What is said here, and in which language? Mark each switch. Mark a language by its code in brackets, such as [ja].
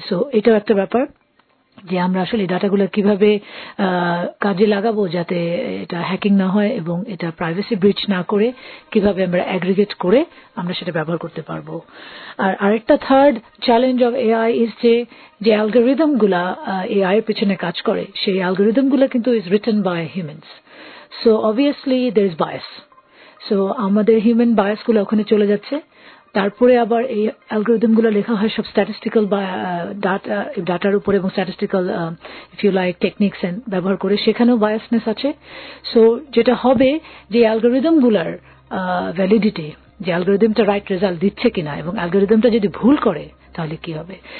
[bn] So এটাও একটা ব্যাপার যে আমরা আসলে ডাটাগুলো কিভাবে কাজে লাগাবো যাতে এটা হ্যাকিং না হয় এবং এটা প্রাইভেসি ব্রিচ না করে কিভাবে আমরা অ্যাগ্রিগেট করে আমরা সেটা ব্যবহার করতে পারবো. আরেকটা third challenge of AI is যে অ্যালগোরিদমগুলা এআই এর পিছনে কাজ করে সেই অ্যালগোরিদমগুলো কিন্তু [en] Is written by humans. So obviously there is bias. [bn] So আমাদের হিউম্যান বায়াস গুলো ওখানে চলে যাচ্ছে, তারপরে আবার এই অ্যালগোরিদম গুলো লেখা হয় সব স্ট্যাটিস্টিক্যাল ডাটার উপরে এবং statistical if you like techniques ব্যবহার করে, সেখানেও বায়াসনেস আছে. সো যেটা হবে যে অ্যালগোরিদম গুলার ভ্যালিডিটি, যে অ্যালগোরিদমটা রাইট রেজাল্ট দিচ্ছে কিনা, এবং অ্যালগোরিদমটা যদি ভুল করে তাহলে কি হবে.